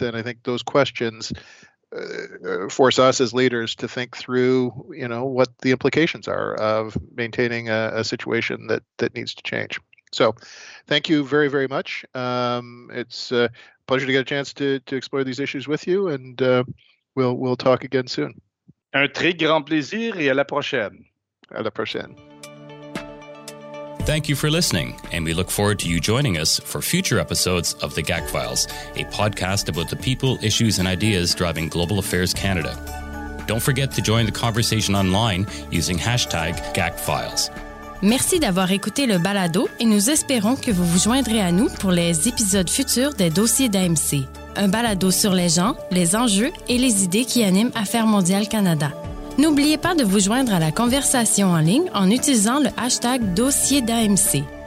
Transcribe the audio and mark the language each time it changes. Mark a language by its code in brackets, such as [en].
[en] And I think those questions force us as leaders to think through, you know, what the implications are of maintaining a situation that needs to change. So thank you very, very much. It's a pleasure to get a chance to explore these issues with you, and we'll talk again soon. [fr] Un très grand plaisir et à la prochaine. À la prochaine. [en] Thank you for listening, and we look forward to you joining us for future episodes of The GAC Files, a podcast about the people, issues, and ideas driving Global Affairs Canada. Don't forget to join the conversation online using hashtag GAC Files. [fr] Merci d'avoir écouté le balado et nous espérons que vous vous joindrez à nous pour les épisodes futurs des dossiers d'AMC. Un balado sur les gens, les enjeux et les idées qui animent Affaires mondiales Canada. N'oubliez pas de vous joindre à la conversation en ligne en utilisant le hashtag dossier d'AMC.